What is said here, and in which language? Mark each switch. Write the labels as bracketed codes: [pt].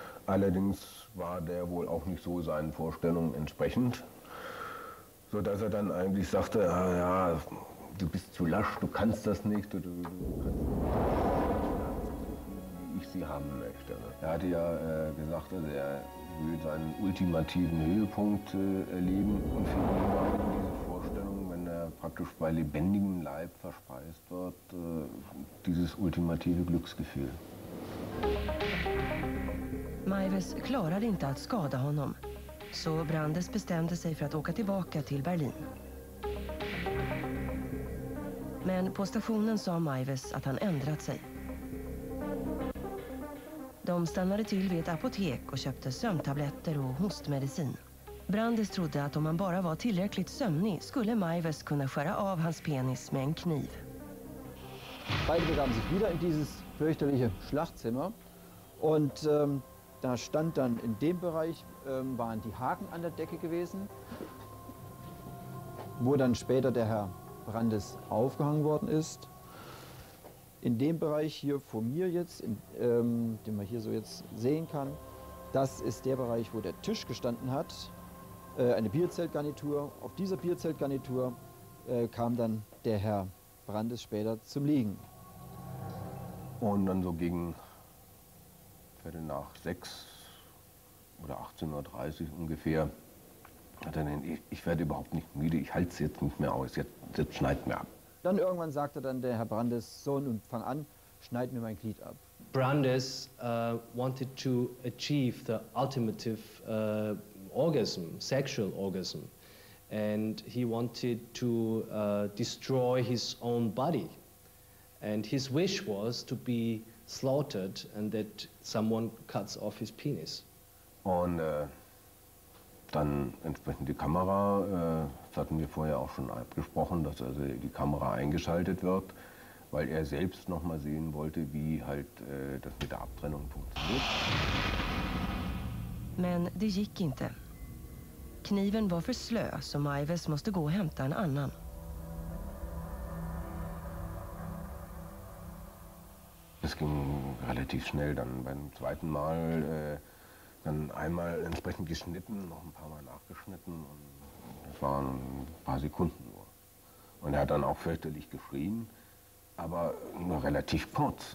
[de] Allerdings war der wohl auch nicht so seinen Vorstellungen entsprechend, so dass er dann eigentlich sagte, ah, ja, du bist zu lasch, du kannst das nicht, du wie ich sie haben möchte. Er hatte ja gesagt, also er will seinen ultimativen Höhepunkt erleben und für ihn war diese Vorstellung, wenn er praktisch bei lebendigem Leib verspeist wird, dieses ultimative Glücksgefühl. [sv] Maivis klarade inte att skada honom, så Brandes bestämde sig för att åka tillbaka till Berlin. Men på stationen sa Maivis att han ändrat sig. De stannade till vid ett apotek och köpte sömntabletter och hostmedicin. Brandes trodde att om han bara var tillräckligt sömnig skulle Maivis kunna skära av hans penis med en kniv. [de] Beide begaben sich wieder in dieses fürchterliche Schlachtzimmer und da stand dann in dem Bereich, waren die Haken an der Decke gewesen, wo dann später der Herr Brandes aufgehangen worden ist. In dem Bereich hier vor mir jetzt, den man hier so jetzt sehen kann, das ist der Bereich, wo der Tisch gestanden hat, eine Bierzeltgarnitur. Auf dieser Bierzeltgarnitur kam dann der Herr Brandes später zum Liegen. Und dann so gegen Viertel nach 6 oder 18.30 Uhr ungefähr hat er den, ich werde überhaupt nicht müde, ich halte es jetzt nicht mehr aus, jetzt schneid mir ab. Dann irgendwann sagte dann der Herr Brandes, so nun fang an, schneid mir mein Glied ab. [en] Brandes wanted to achieve the ultimative orgasm, sexual orgasm. And he wanted to destroy his own body. And his wish was to be slaughtered and that someone cuts off his penis. [de] Und dann entsprechend die Kamera, das hatten wir vorher auch schon abgesprochen, dass also die Kamera eingeschaltet wird, weil er selbst noch mal sehen wollte, wie halt das mit der Abtrennung funktioniert. [sv] Men det gick inte. Kniven war för slö, så Maivis måste gå och hämta en annan. [de] Das ging relativ schnell dann beim zweiten Mal, dann einmal entsprechend geschnitten, noch ein paar Mal nachgeschnitten und das waren ein paar Sekunden nur. Und er hat dann auch fürchterlich geschrien, aber nur relativ kurz.